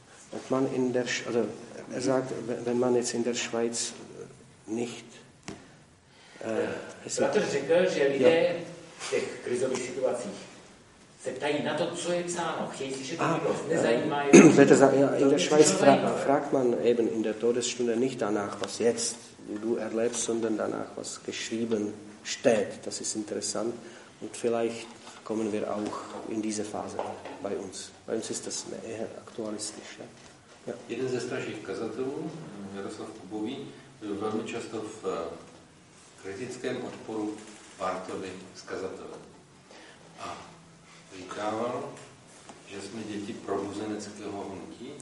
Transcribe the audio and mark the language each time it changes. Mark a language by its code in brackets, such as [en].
[de] Ob man in der, also er sagt, wenn man jetzt in der Schweiz nicht... [cs] Bratr řekl, že lidé v těch krizových situacích se ptají na to, co je psáno. Chtějí si, že to minulost nezajímá je... [de] In der Schweiz fragt man eben in der Todesstunde nicht danach, was jetzt du erlebst, sondern danach, was geschrieben steht. Das ist interessant. Und vielleicht kommen wir auch in diese Phase bei uns. Bei uns ist das eher aktualistisch. Ja? Ja. [cs] Jeden ze starších kazatelů, Jaroslav Kubový, byl velmi často v kritickém odporu Bartovi s kazatelem. A říkával, že jsme děti probuzeneckého hnutí.